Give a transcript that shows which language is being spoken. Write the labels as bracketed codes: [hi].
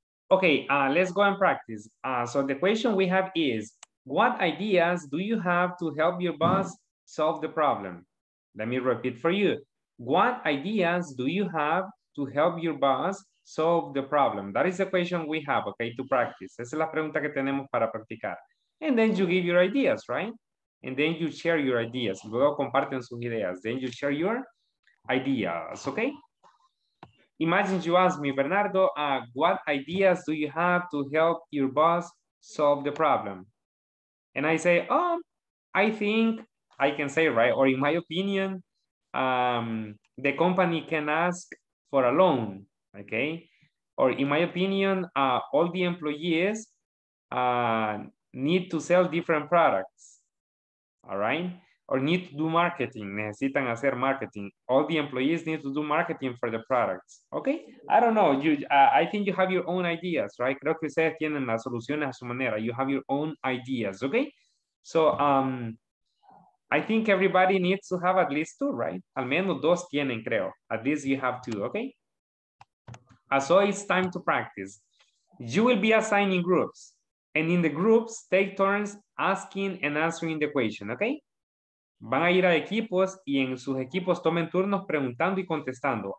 [en] Okay, let's go and practice. So the question we have is, what ideas do you have to help your boss solve the problem? Let me repeat for you. What ideas do you have to help your boss solve the problem? That is the question we have, okay, to practice. [es] Esa es la pregunta que tenemos para practicar. [en] And then you give your ideas, right? And then you share your ideas. [es] Luego comparten sus ideas. [en] Then you share your ideas, okay? Imagine you ask me, Bernardo, what ideas do you have to help your boss solve the problem? And I say, oh, I think I can say, right? Or in my opinion, the company can ask for a loan, okay? Or in my opinion, all the employees need to sell different products, all right? Or need to do marketing, [es] necesitan hacer marketing. [en] All the employees need to do marketing for the products, okay? I don't know, I think you have your own ideas, right? [es] Creo que ustedes tienen las soluciones a su manera. [en] You have your own ideas, okay? So I think everybody needs to have at least two, right? [es] Al menos dos tienen, creo. [en] At least you have two, okay? So it's time to practice. You will be assigned in groups. And in the groups, take turns asking and answering the question, okay? [es] Van a ir a equipos y en sus equipos tomen turnos preguntando y contestando.